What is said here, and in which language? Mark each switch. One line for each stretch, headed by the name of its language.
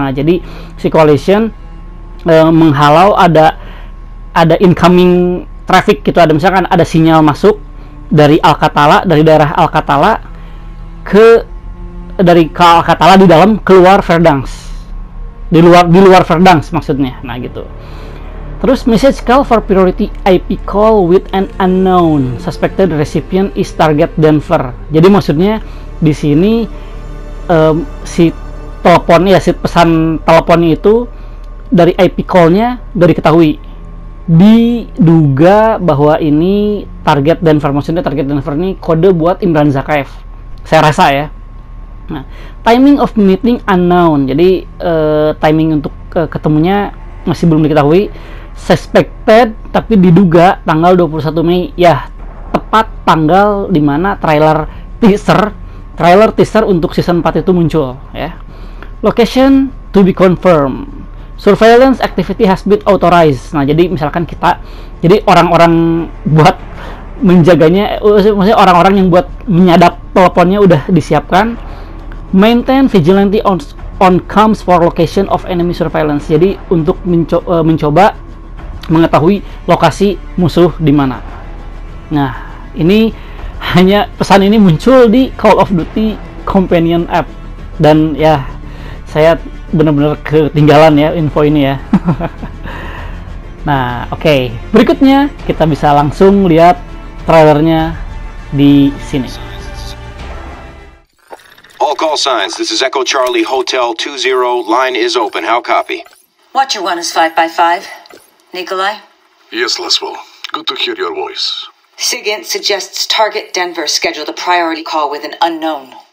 Indonesian: Nah, jadi si Coalition menghalau ada incoming traffic gitu, ada misalkan ada sinyal masuk dari Alcatala, dari daerah Alcatala ke dari Alcatala di dalam keluar Verdansk. Di luar Verdansk maksudnya. Nah, gitu.
English: Terus message call for priority IP call with an unknown suspected recipient is target Denver.
Indonesian: Jadi maksudnya di sini si telepon ya, si pesan telepon itu dari IP call-nya dari ketahui diduga bahwa ini target Denver. Maksudnya target Denver ini kode buat Imran Zakaev. Saya rasa ya.
English: Nah, timing of meeting unknown.
Indonesian: Jadi timing untuk ketemunya masih belum diketahui. Suspected tapi diduga tanggal 21 Mei. Ya, tepat tanggal di mana trailer teaser untuk season 4 itu muncul ya.
English: Location to be confirmed. Surveillance activity has been authorized.
Indonesian: Nah, jadi misalkan kita jadi orang-orang buat menjaganya, maksudnya orang-orang yang buat menyadap teleponnya udah disiapkan.
English: Maintain vigilante on comms for location of enemy surveillance.
Indonesian: Jadi untuk mencoba mengetahui lokasi musuh di mana. Nah, ini hanya pesan ini muncul di Call of Duty Companion app dan ya saya benar-benar ketinggalan ya info ini ya. Nah, oke. Okay. Berikutnya kita bisa langsung lihat trailernya di sini.
English: All call signs, this is Echo Charlie Hotel 20, line is open, how copy? What you want is 5x5, Nikolai? Yes, Laswell, good to hear your voice. SIGINT suggests target Denver schedule the priority call with an unknown.